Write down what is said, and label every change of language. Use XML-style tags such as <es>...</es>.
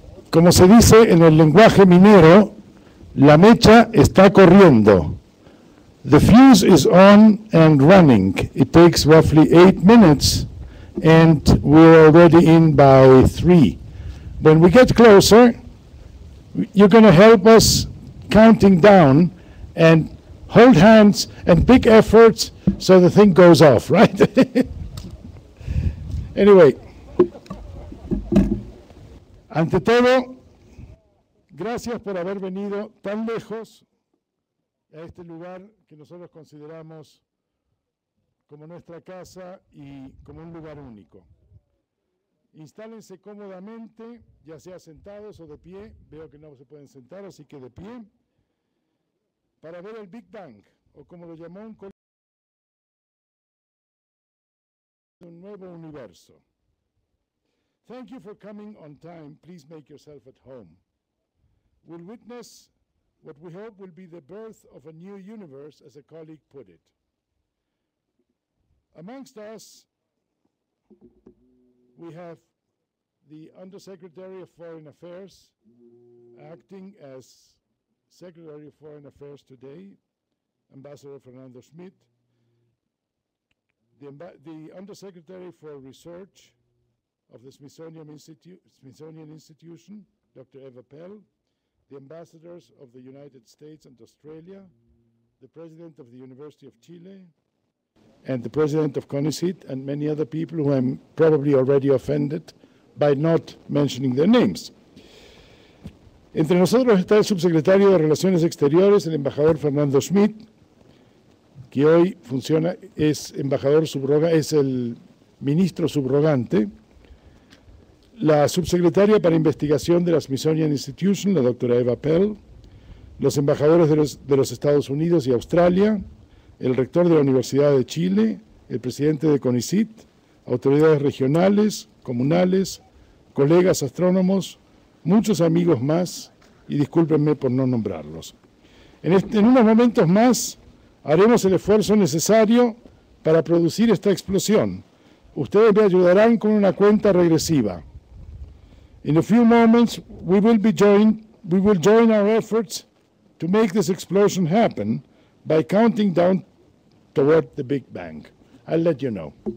<es>Como se dice en el lenguaje minero, la mecha está corriendo.</es> <en>The fuse is on and running. It takes roughly 8 minutes, and we're already in by 3. When we get closer, you're going to help us counting down and hold hands and big efforts so the thing goes off, right?</en> <es>Anyway, ante todo, gracias por haber venido tan lejos a este lugar que nosotros consideramos como nuestra casa y como un lugar único. Instálense cómodamente, ya sea sentados o de pie. Veo que no se pueden sentar, así que de pie. Para ver el Big Bang, o como lo llamó un colega, un nuevo universo.</es> <en>Thank you for coming on time. Please make yourself at home. We'll witness what we hope will be the birth of a new universe, as a colleague put it. Amongst us, we have the Undersecretary of Foreign Affairs, acting as Secretary of Foreign Affairs today, Ambassador Fernando Schmidt, the Undersecretary for Research of the Smithsonian Institution, Dr. Eva Pell, the ambassadors of the United States and Australia, the president of the University of Chile, and the president of CONICET, and many other people who I'm probably already offended by not mentioning their names.</en> <es>Entre nosotros está el subsecretario de Relaciones Exteriores, el embajador Fernando Schmidt, que hoy funciona, es embajador subroga, es el ministro subrogante, la subsecretaria para investigación de la Smithsonian Institution, la doctora Eva Pell, los embajadores de los Estados Unidos y Australia, el rector de la Universidad de Chile, el presidente de CONICET, autoridades regionales, comunales, colegas astrónomos, muchos amigos más, y discúlpenme por no nombrarlos. En unos momentos más haremos el esfuerzo necesario para producir esta explosión. Ustedes me ayudarán con una cuenta regresiva.</es> <en>In a few moments, we will join our efforts to make this explosion happen by counting down toward the Big Bang. I'll let you know.</en>